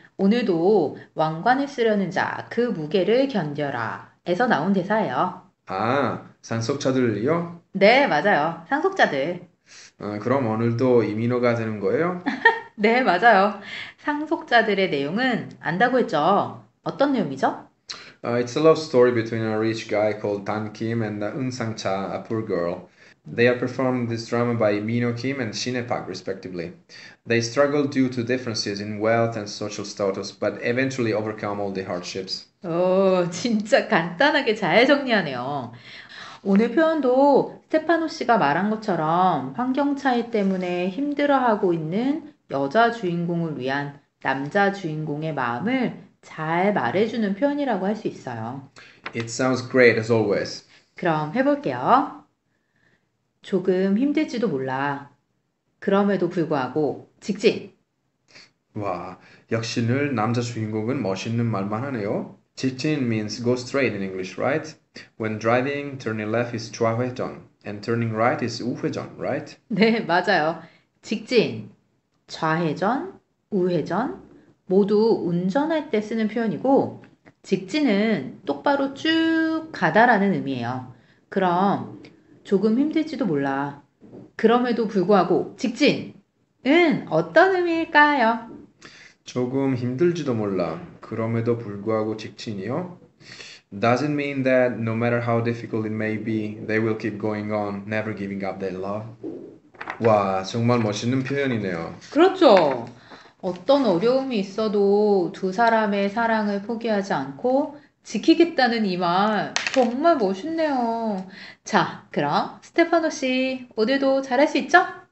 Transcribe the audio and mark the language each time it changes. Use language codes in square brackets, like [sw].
[ko] 오늘도 왕관을 쓰려는 자, 그 무게를 견뎌라. 에서 나온 대사예요. 아, 상속자들이요? 네, 맞아요. 상속자들. 그럼 오늘도 이민호가 되는 거예요? 네, 맞아요. 상속자들의 내용은 안다고 했죠? 어떤 내용이죠? [en] It's a love story between a rich guy called Dan Kim and Eun Sang Cha, a poor girl. They are performed this drama by Minho Kim and Shin Hye Park, respectively. They struggle due to differences in wealth and social status, but eventually overcome all the hardships. [ko] 오, 진짜 간단하게 잘 정리하네요. 오늘 표현도 스테파노 씨가 말한 것처럼 환경 차이 때문에 힘들어하고 있는 여자 주인공을 위한 남자 주인공의 마음을 잘 말해주는 표현이라고 할수 있어요. [en] It sounds great as always. [ko] 그럼 해볼게요. 조금 힘들지도 몰라. 그럼에도 불구하고, 직진! 와, 역시 늘 남자 주인공은 멋있는 말만 하네요. [en] 직진 means go straight in English, right? When driving, turning left is 좌회전, and turning right is 우회전, right? [ko] 네, 맞아요. 직진, 좌회전, 우회전 모두 운전할 때 쓰는 표현이고, 직진은 똑바로 쭉 가다라는 의미예요. 그럼 조금 힘들지도 몰라. 그럼에도 불구하고 직진은 어떤 의미일까요? 조금 힘들지도 몰라. 그럼에도 불구하고 직진이요? [en] Does it mean that no matter how difficult it may be, they will keep going on, never giving up their love? [ko] 와, 정말 멋있는 표현이네요. 그렇죠. 어떤 어려움이 있어도 두 사람의 사랑을 포기하지 않고 지키겠다는 이말 정말 멋있네요. 자, 그럼 스테파노 씨, 오늘도 잘할 수 있죠?